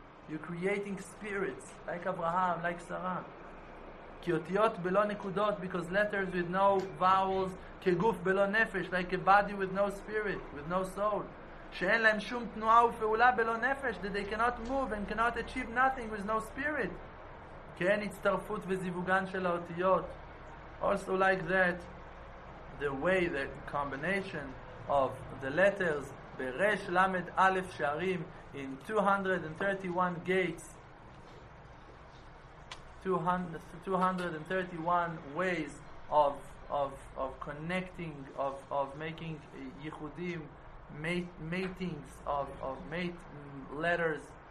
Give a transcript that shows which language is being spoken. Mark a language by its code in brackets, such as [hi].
[en] You're creating spirits, like Abraham, like Sarah. [he] Kiotiot belo nekudot, [en] because letters with no vowels, [he] keguf belo nefesh, [en] like a body with no spirit, with no soul. [he] שאין להם שום תנועה ופעולה בלא נפש, [en] that they cannot move and cannot achieve nothing with no spirit. [he] כן, הצטרפות וזיווגן של האותיות. [en] Also like that, the way, the combination of the letters, [he] ברש למד א' שערים, [en] in 231 gates, 231 ways of connecting, of making yichudim, matings of mate letters.